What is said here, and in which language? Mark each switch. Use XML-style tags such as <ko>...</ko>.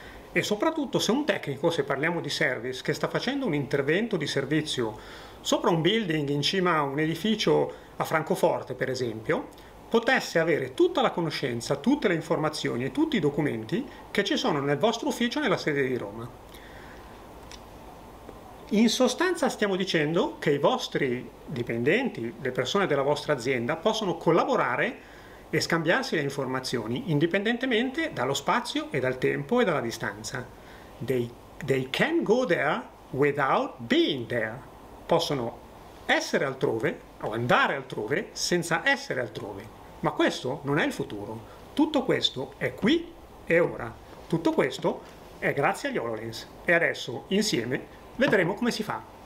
<it>E soprattutto se un tecnico, se parliamo di service, che sta facendo un intervento di servizio sopra un building in cima a un edificio a Francoforte, per esempio, potesse avere tutta la conoscenza, tutte le informazioni e tutti i documenti che ci sono nel vostro ufficio nella sede di Roma. In sostanza stiamo dicendo che i vostri dipendenti, le persone della vostra azienda, possono collaborare e scambiarsi le informazioni indipendentemente dallo spazio e dal tempo e dalla distanza.</it> <en>They can go there without being there.</en> <it>Possono essere altrove o andare altrove senza essere altrove. Ma questo non è il futuro. Tutto questo è qui e ora. Tutto questo è grazie agli HoloLens. E adesso insieme vedremo come si fa.</it>